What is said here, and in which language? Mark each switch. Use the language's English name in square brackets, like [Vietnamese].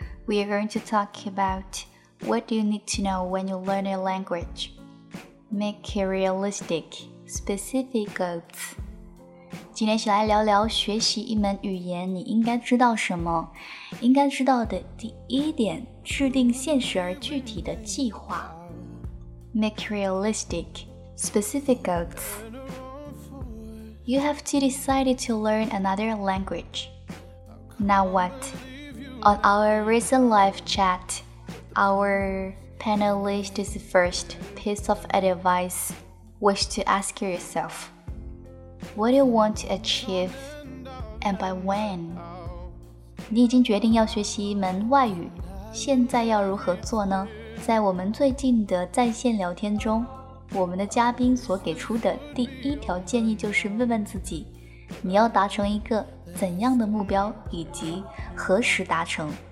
[English] We are going to talk about what do you need to know when you learn a language. Make realistic, specific goals. [Chinese] 今天一起来聊聊学习一门语言你应该知道什么。应该知道的第一点，制定现实而具体的计划。 [English] Make realistic, specific goals. You have to decide to learn another language. Now what? On our recent live chat, our panelist's first piece of advice was to ask yourself, what do you want to achieve and by when? [Chinese] 你已经决定要学习一门外语，现在要如何做呢？在我们最近的在线聊天中，我们的嘉宾所给出的第一条建议就是问问自己，你要达成一个怎样的目标以及何时达成。